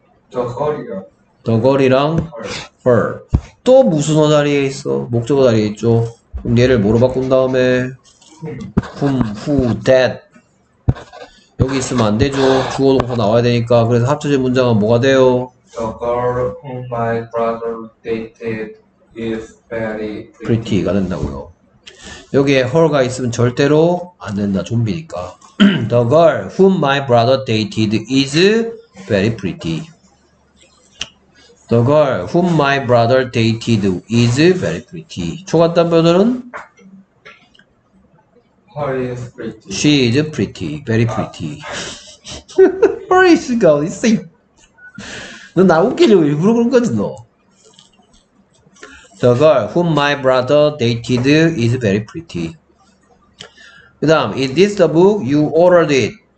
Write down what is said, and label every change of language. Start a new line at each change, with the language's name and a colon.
English: The girl이요.
Korean: 더걸이랑 her. 또 무슨 어자리에 있어? 목적어 자리에 있죠. 그럼 얘를 뭐로 바꾼 다음에 whom, who, that 여기 있으면 안 되죠. 주어 동사 나와야 되니까. 그래서 합쳐진 문장은 뭐가 돼요?
English: The girl whom my brother dated is very pretty.
Korean: 가 된다고요. 여기에 her가 있으면 절대로 안 된다. 좀비니까.
English: The girl whom my brother dated is very pretty. The girl whom my brother dated is very pretty.
Korean: 초간단 변호는?
English: Her is pretty. She is pretty. Very pretty. Her is a girl. It's a...
Korean: 너 나 웃기려고 일부러 그런 거지 너.
English: The girl whom my brother dated is very pretty.
Korean: 그 다음,
English: is this the book you ordered it?